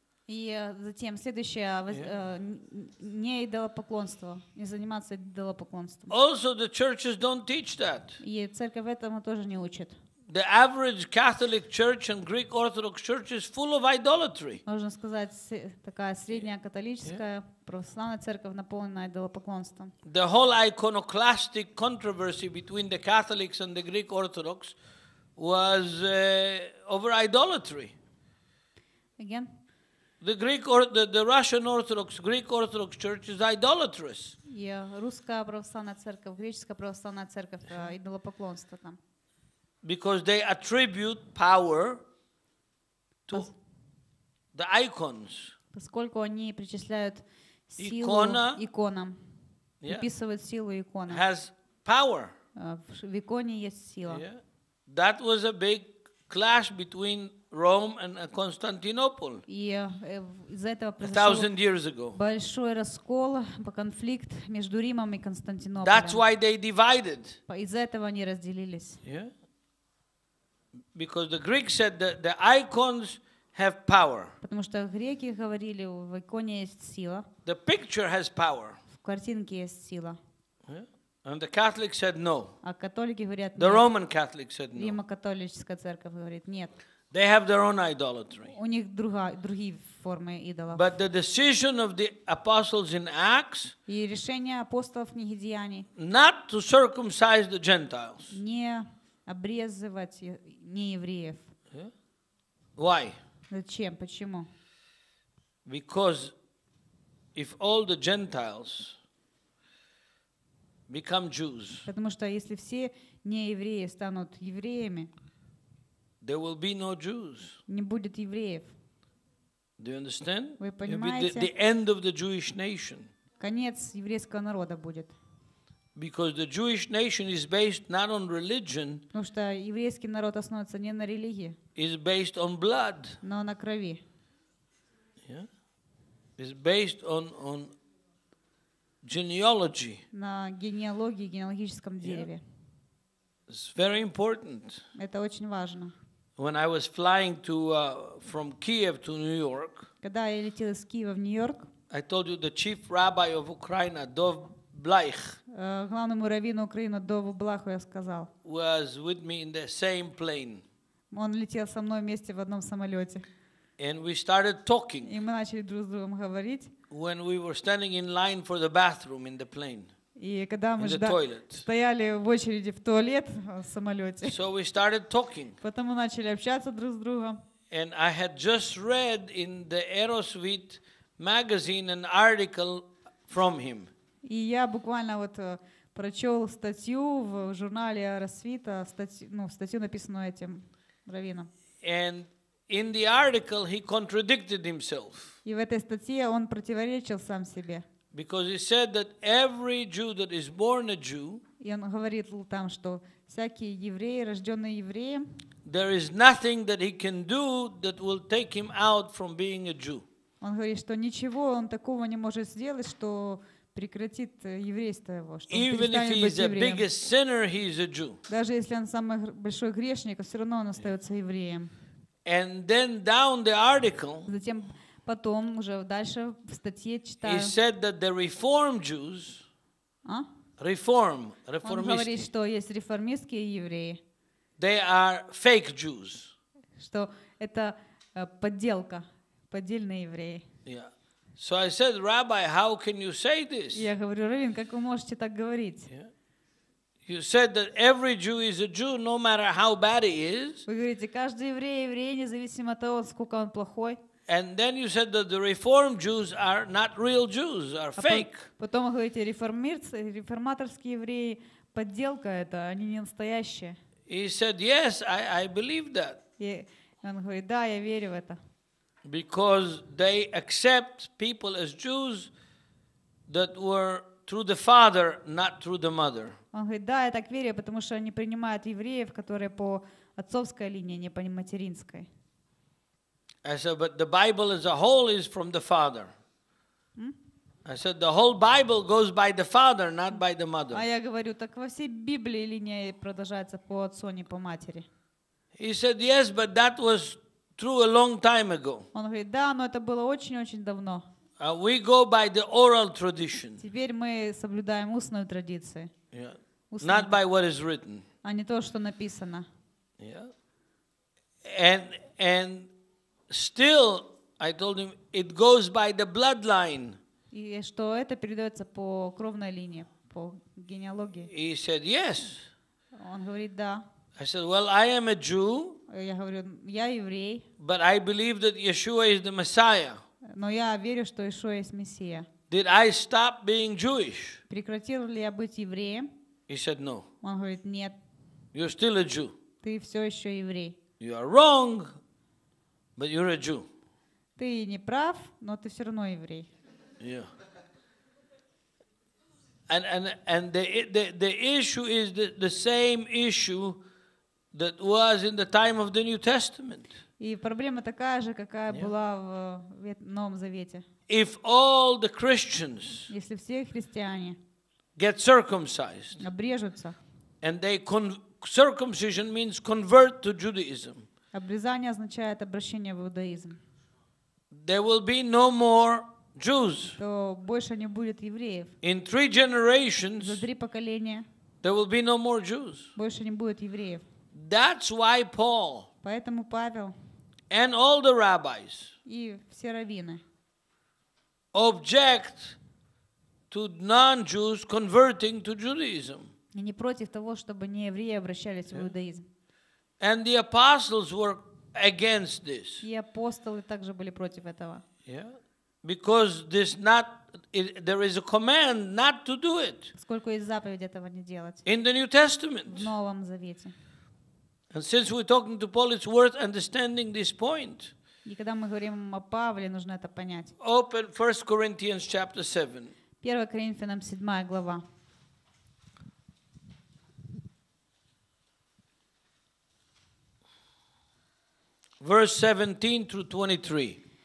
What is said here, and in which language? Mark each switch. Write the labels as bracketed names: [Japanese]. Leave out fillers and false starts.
[Russian] И затем следующее, не идолопоклонство, не заниматься идолопоклонством. [English] Also, the churches don't teach that. [Russian] И церковь этому тоже не учит. [English] The average Catholic church and Greek Orthodox church is full of idolatry. [Russian] Можно сказать, такая средняя католическая Православная церковь наполнена идолопоклонством. [English] The whole iconoclastic controversy between the Catholics and the Greek Orthodox was over idolatry. Again? The Greek or the Russian Orthodox, Greek Orthodox Church is idolatrous. [Russian] Yeah, русская православная церковь, греческая православная церковь идолопоклонство там. [English] Because they attribute power to the icons. [Russian] Поскольку они причисляют силу иконам, приписывают силу иконам. [English] Has power. [Russian] В иконе есть сила. [English] Yeah. That was a big clash between Rome and Constantinople. [Russian] Большой раскол, конфликт между Римом и Константинополем. [English] That's why they divided. [Russian] Из-за этого они разделились. [English] Yeah. Because the Greeks said that the icons have power. [Russian] Потому что греки говорили, в иконе есть сила. [English] The picture has power. [Russian] В картинке есть сила. [English] And the Catholics said no. [Russian] А католики говорят нет. [English] The Roman Catholics said no. [Russian] Римо-католическая церковь говорит нет. [English] They have their own idolatry. [Russian] У них другие формы идолов. [English] But the decision of the apostles in Acts. [Russian] И решение апостолов в книге Деяний. [English] Not to circumcise the Gentiles. [Russian] Не обрезывать неевреев. [English] Why? [Russian] Зачем? Почему? [English] Because if all the Gentiles become Jews. [Russian] Потому что если все неевреи станут евреями. [English] There will be no Jews. [Russian] Не будет евреев. [English] Do you understand? [Russian] Вы понимаете? [English] The end of the Jewish nation. [Russian] Конец еврейского народа будет. [English] Because the Jewish nation is based not on religion. [Russian] Потому что еврейский народ основывается не на религии. [English] Is based on blood. [Russian] Но на крови. [English] Yeah. Is based on genealogy. [Russian] На генеалогии, генеалогическом дереве. [English] Yeah. It's very important. [Russian] Это очень важно. [English] When I was flying to from Kiev to New York. [Russian] Когда я летел из Киева в Нью-Йорк. [English] I told you the chief rabbi of Ukraine, Dov Blach. [Russian] Главному раввину Украины Дову Блаху я сказал. [English] Was with me in the same plane. [Russian] Он летел со мной вместе в одном самолете. [English] And we started talking. [Russian] И мы начали друг с другом говорить. [English] When we were standing in line for the bathroom in the plane. [Russian] И когда мы стояли в очереди в туалет в самолете. [English] So we started talking. [Russian] Потом мы начали общаться друг с другом. [English] And I had just read in the Aerosuite magazine an article from him. [Russian] И я буквально вот прочел статью в журнале Аэросвита, статью, написанную этим раввином. [English] And in the article he contradicted himself. [Russian] И в этой статье он противоречил сам себе. [English] Because he said that every Jew that is born a Jew, [Russian] и он говорит там, что всякие евреи, рожденные евреем, [English] there is nothing that he can do that will take him out from being a Jew. [Russian] Он говорит, что ничего он такого не может сделать, что прекратит еврейство его, что [English] even if he is the biggest sinner, he is a Jew. [Russian] Даже если он самый большой грешник, все равно он остается евреем. [English] And then down the article. [Russian] Затем потом уже дальше в статье читаю. [English] He said that the reform Jews, [Russian] он говорит, что есть реформистские евреи. [English] They are fake Jews. [Russian] Что это подделка, поддельные евреи. [English] Yeah. So I said, Rabbi, how can you say this? [Russian] Я говорю, раввин, как вы можете так говорить? [English] Yeah. You said that every Jew is a Jew, no matter how bad he is. [Russian] Вы говорите, каждый еврей еврей, независимо от того, сколько он плохой. [English] And then you said that the Reform Jews are not real Jews, are fake. [Russian] Потом вы говорите, реформаторские евреи подделка это, они не настоящие. [English] He said, yes, I believe that. [Russian] И он говорит, да, я верю в это. [English] Because they accept people as Jews that were through the father, not through the mother. [Russian] Он говорит, да, я так верю, потому что они принимают евреев, которые по отцовской линии, не по материнской. [English] I said, but the Bible as a whole is from the Father. I said, the whole Bible goes by the Father, not by the mother. [Russian] А я говорю, так во всей Библии линия продолжается по отцу, не по матери. [English] He said, yes, but that was true a long time ago. [Russian] Он говорит, да, но это было очень-очень давно. [English] We go by the oral tradition. [Russian] Теперь мы соблюдаем устную традицию. [English] Yeah. Not by what is written. [Russian] А не то, что написано. [English] Yeah. And still, I told him, it goes by the bloodline. [Russian] И что это передается по кровной линии, по генеалогии. [English] He said, yes. [Russian] Он говорит, да. [English] I said, well, I am a Jew. [Russian] Я говорю, я еврей. [English] But I believe that Yeshua is the Messiah. [Russian] Но я верю, что Иешуа есть Мессия. [English] Did I stop being Jewish? [Russian] Прекратил ли я быть евреем? [English] He said, no. [Russian] Он говорит, нет. [English] You're still a Jew. [Russian] Ты все еще еврей. [English] You are wrong, but you're a Jew. [Russian] Ты не прав, но ты все равно еврей. [English] Yeah. And the issue is the same issue that was in the time of the New Testament. [Russian] И проблема такая же, какая была в Новом Завете. [English] If all the Christians, [Russian] если все христиане, [English] get circumcised, [Russian] обрежутся, [English] and they circumcision means convert to Judaism. [Russian] Обрезание означает обращение в иудаизм. [English] There will be no more Jews. [Russian] То больше не будет евреев. [English] In three generations, [Russian] за три поколения, [English] there will be no more Jews. [Russian] Больше не будет евреев. [English] That's why Paul. [Russian] Поэтому Павел. [English] And all the rabbis. [Russian] И все раввины. [English] Object to non-Jews converting to Judaism. [Russian] И не против того, чтобы не евреи обращались в иудаизм. [English] And the apostles were against this. [Russian] И апостолы также были против этого. [English] Yeah. Because this not it, there is a command not to do it. [Russian] Сколько есть заповедь этого не делать? [English] In the New Testament. [Russian] В Новом Завете. [English] And since we're talking to Paul, it's worth understanding this point. [Russian] И когда мы говорим о Павле, нужно это понять. [English] Open 1 Corinthians chapter 7. [Russian] 1 Коринфянам 7 глава. [English] Verse 17 through 23.